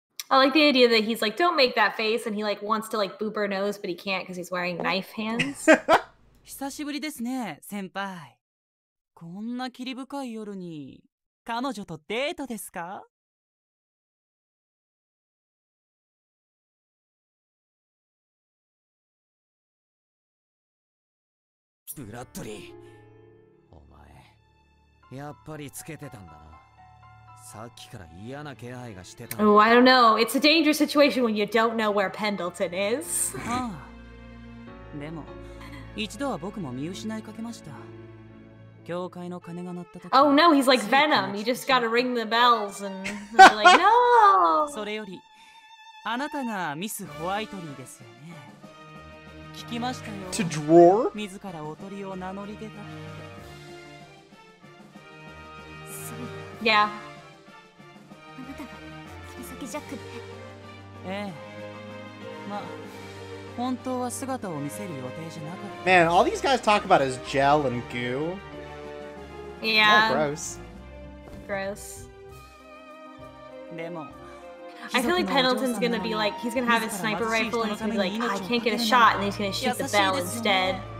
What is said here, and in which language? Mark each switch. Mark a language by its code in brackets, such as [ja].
[en] I like the idea that he's like, don't make that face, and he like wants to like boop her nose, but he can't because he's wearing knife hands. [ja] 久しぶりですね、先輩。こんな霧深い夜に彼女とデートですか? ブラッドリー、お前やっぱりつけてたんだな。さっきから嫌な気配がしてた。 [en] Oh, I don't know. It's a dangerous situation when you don't know where Pendleton is. [ja] でも、一度は僕も見失いかけました。 [en] Oh no, he's like Venom. He just gotta ring the bells and be like, no! [ja] それより、あなたがミス・ホワイトリーですよね。聞きましたよ。 [en] To drawer? [ja] 自らおとりを名乗り出た。そう。 [en] Yeah. [ja] あなたが、切り裂きジャックで。ええ。まあ。本当は姿を見せる予定じゃなかった。 [en] Man, all these guys talk about is gel and goo. Yeah. Oh, gross. Gross. [ja] でも、 [en] I feel like Pendleton's gonna be like, he's gonna have his sniper rifle and he's gonna be like, I can't get a shot, and he's gonna shoot the bell instead.